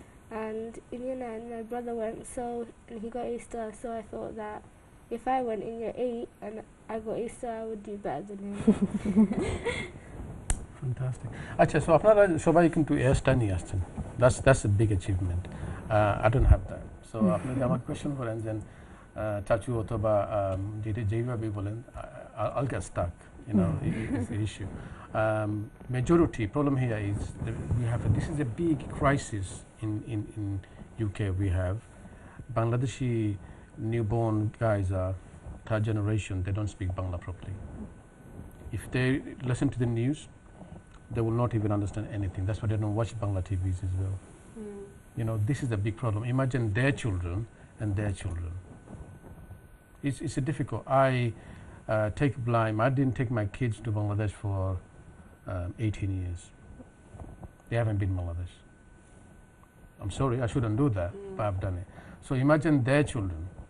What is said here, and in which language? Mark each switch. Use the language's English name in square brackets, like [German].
[English] And Inyana and my brother went, so, and he got A star, so I thought that if I went in year 8 and I got A star, I would do better than him. Fantastic. [Bangla] Achha, so apnara shobai kintu A star niye aschen. [English] That's a big achievement. I don't have that. So [Bangla] apnader amar [English] question for, and then [Bangla] চাচু অথবা যেটা যেইভাবে বলেন [English] আলকাস্টাক you know issue majority problem here is we have this is a big crisis in in in UK we have Bangladeshi new born guys আর third generation they don't speak Bangla properly if they listen to the news they will not even understand anything that's why they don't watch Bangla TVs is well you know this is a big problem imagine their children and their children It's a difficult. I take blame. I didn't take my kids to Bangladesh for 18 years. They haven't been Bangladesh. I'm sorry, I shouldn't do that, but I've done it. So imagine their children.